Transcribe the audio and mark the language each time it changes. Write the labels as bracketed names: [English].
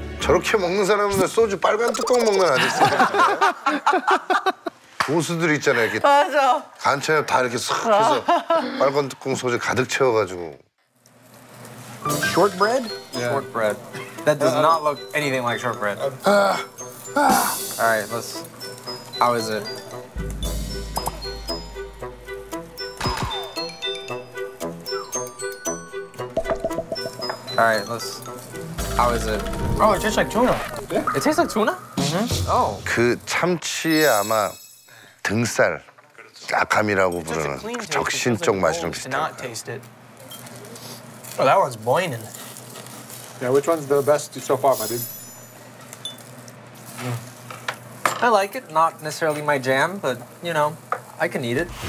[Korean] 저렇게 먹는 사람은 소주 빨간 뚜껑 먹는 아저씨. 고수들 있잖아요. 이렇게. 맞아. 간 천엽 다 이렇게 쏙 해서 빨간 뚜껑 소주 가득 채워 가지고 [English] Shortbread? Yeah. Shortbread. That does not look anything like shortbread. All right, let's How is it? All right, let's. How is it? Oh, it tastes like tuna. Yeah. It tastes like tuna? Mm-hmm. Oh. [Korean] 그 참치에 아마 등살 약함이라고 부르는 적신적 맛이랑 비슷해요. [English] Oh, that one's boiling. Yeah, which one's the best so far, my dude? I like it. Not necessarily my jam, but you know, I can eat it.